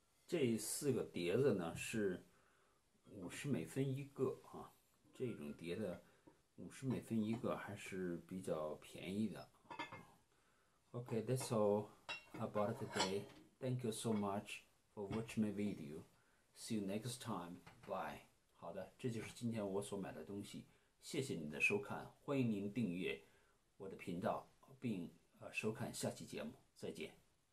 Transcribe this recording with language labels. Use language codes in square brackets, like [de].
[zh] This 4个碟子呢是50美分一个啊，这种碟的50美分一个还是比较便宜的。 [en] Okay, that's all about today. Thank you so much for watching my video. See you next time. Bye. [zh] 好的，这就是今天我所买的东西。谢谢你的收看，欢迎您订阅我的频道，并收看下期节目。再见。